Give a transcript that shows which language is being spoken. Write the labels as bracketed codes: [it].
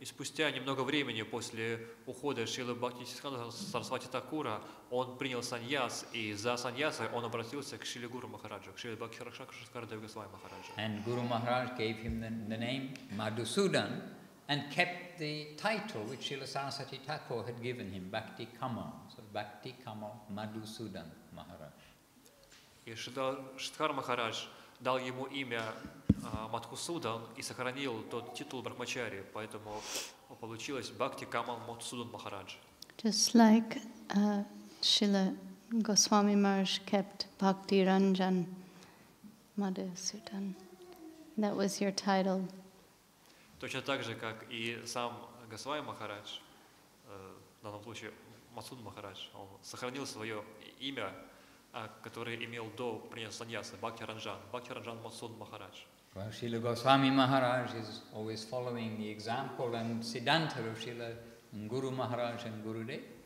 [ru] И спустя немного времени после ухода Шрилы Бхакти Сиддханта Сарасвати Такура, он принял саньяс, и за саньяса он обратился к Шриле Гуру Махараджу, к Шриле Бхакти Шакрасхардеве Дев Госвами Махараджу. [en] And Guru Maharaj gave him the name Madhusudan and kept the title which Srila Sarasvati Thakur had given him, Bhakti Kamal. So Bhakti Kamal Madhusudan Maharaj. [ru] И Шридхар Махарадж дал ему имя Мадхусудан и сохранил тот титул брахмачари, поэтому получилось Бхакти Камал Мадхусудан Махарадж. [en] Just like Srila Goswami Maharaj kept Bhakti Ranjan Madhusudan. That was your title. [ru] Точно так же, как и сам Госвами Махарадж, в данном случае Мадхусудан Махарадж, он сохранил свое имя, который имел до принятия саньяса, Бхакти Ранжан, Бхакти Ранжан Мадхусудан Махарадж. [en] Well, Srila Goswami Maharaj is always following the example and Siddhanta of Srila Guru Maharaj and Gurudev.